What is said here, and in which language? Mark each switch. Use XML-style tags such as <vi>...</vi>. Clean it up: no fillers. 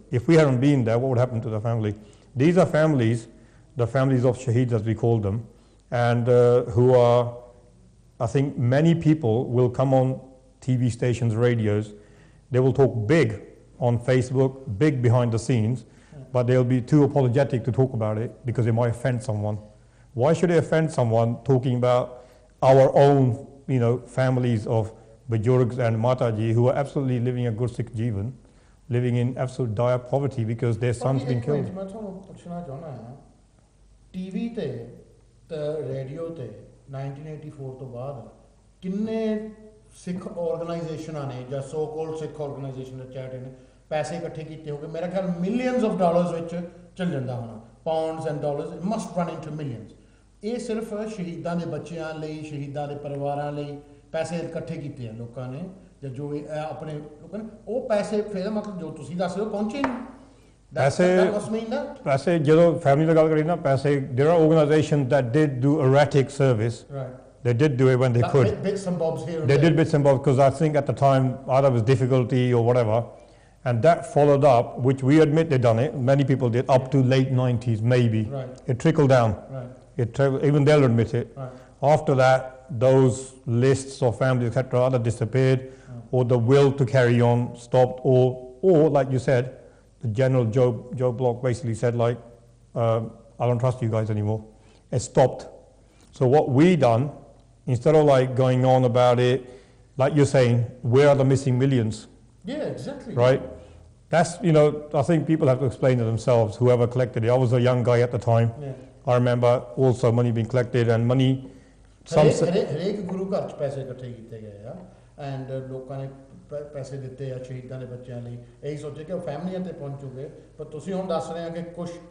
<en>If we hadn't been there, what would happen to the family? These are families, the families of Shaheeds, as we call them, and who are, I think many people will come on TV stations, radios, they will talk big on Facebook, big behind the scenes, but they'll be too apologetic to talk about it because it might offend someone. Why should it offend someone talking about our own, you know, families of Bajurgs and Mataji who are absolutely living a good Sikh Jeevan, living in absolute dire poverty because their son's been killed.</en> <pa>ਮੈਂ ਤੁਹਾਨੂੰ ਪੁੱਛਣਾ ਚਾਹੁੰਦਾ ਹਾਂ TV ਤੇ ਤੇ radio ਤੇ 1984 ਤੋਂ ਬਾਅਦ ਕਿੰਨੇ ਸਿੱਖ ਆਰਗੇਨਾਈਜੇਸ਼ਨਾਂ ਨੇ ਜਾਂ ਸੋ ਕਾਲਡ ਸਿੱਖ ਆਰਗੇਨਾਈਜੇਸ਼ਨ ਦੇ ਚੈਟੇ ਨੇ ਪੈਸੇ ਇਕੱਠੇ ਕੀਤੇ ਹੋ ਗਏ ਮੇਰਾ ਖਿਆਲ ਮਿਲੀਅਨਸ ਆਫ ਡਾਲਰਸ ਵਿੱਚ ਚੱਲਣ ਦਾ ਹੋਣਾ</pa> <en>pounds and dollars it must run into millions</en> <pa>ਇਹ ਸਿਰਫ ਸ਼ਹੀਦਾਂ ਦੇ ਬੱਚਿਆਂ ਲਈ ਸ਼ਹੀਦਾਂ ਦੇ ਪਰਿਵਾਰਾਂ ਲਈ ਪੈਸੇ ਇਕੱਠੇ ਕੀਤੇ ਆ ਲੋਕਾਂ ਨੇ ਜਾਂ ਜੋ ਆਪਣੇ ਲੋਕਾਂ ਨੇ ਉਹ ਪੈਸੇ ਫਿਰ ਮਤਲਬ ਜੋ ਤੁਸੀਂ ਦੱਸ ਰਹੇ ਹੋ ਪਹੁੰਚੇ ਨਹੀਂ ਪੈਸੇ ਜਦੋਂ ਫੈਮਿਲੀ ਦੀ ਗੱਲ ਕਰੀ ਨਾ ਪੈਸੇ</pa> <en>There are organisation that did do erratic service They did do it when they could. Bits and bobs here. They did bits and bobs because I think at the time either it was difficulty or whatever. And that followed up, which we admit they done it, many people did, up to late 90s maybe. Right. It trickled down. Right. Even they'll admit it. Right. After that, those lists of families, etc., either disappeared or the will to carry on stopped or like you said, the general Joe Block basically said like, I don't trust you guys anymore. It stopped. So what we done, instead of like going on about it, like you're saying, where are the missing millions? Yeah, exactly. Right? That's, you know, I think people have to explain to themselves, whoever collected it. I was a young guy at the time. Yeah. I remember also money being collected and money...</en> <pa>ਹਰੇਕ ਗੁਰੂ ਘਰ 'ਚ ਪੈਸੇ ਇਕੱਠੇ ਕੀਤੇ ਗਏ ਆ and ਲੋਕਾਂ ਨੇ ਪੈਸੇ ਦਿੱਤੇ ਆ ਸ਼ਹੀਦਾਂ ਦੇ ਬੱਚਿਆਂ ਲਈ ਇਹੀ ਸੋਚਿਆ ਕਿ ਉਹ ਫੈਮਿਲੀਆਂ 'ਤੇ ਪਹੁੰਚੂਗੇ ਪਰ ਤੁਸੀਂ ਹੁਣ ਦੱਸ ਰਹੇ ਹੋ ਕਿ ਕੁਛ</pa>